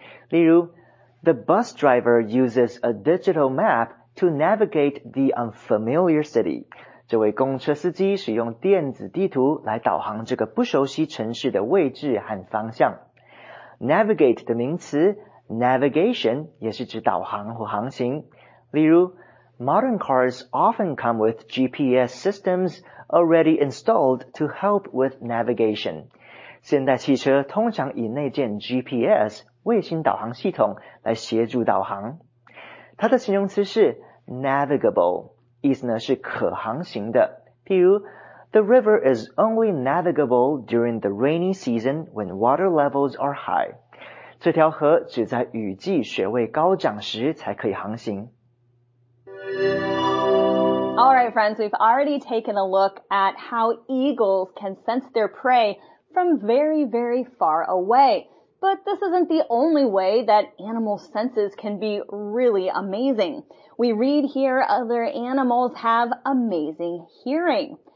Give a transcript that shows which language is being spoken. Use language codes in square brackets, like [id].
[en] The bus driver uses a digital map to navigate the unfamiliar city. [zh] 这位公车司机使用电子地图来导航这个不熟悉城市的位置和方向。 Navigate 的名词 navigation 也是指导航或航行。例如 [en] ,modern cars often come with GPS systems,already installed to help with navigation. [zh] 现代汽车通常以内建 GPS, 卫星导航系统来协助导航。它的形容词是 navigable, 意思呢是可航行的。譬如 [en] ,the river is only navigable during the rainy season when water levels are high. [zh] 这条河只在雨季水位高涨时才可以航行。 [en] All right, friends, we've already taken a look at how eagles can sense their prey from very, very far away. But this isn't the only way that animal senses can be really amazing. We read here other animals have amazing hearing.